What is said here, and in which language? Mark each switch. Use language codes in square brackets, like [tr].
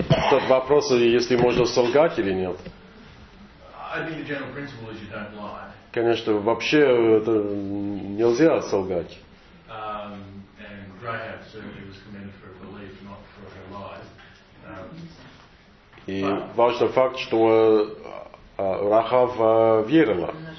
[ru] Тот вопрос, если можно солгать или нет. [en] I think the general principle is you don't lie. [ru] Конечно, вообще это нельзя солгать. [en] And Rahab certainly was commended for her belief, not for her lies. [ru] И важный факт, что Рахав верила.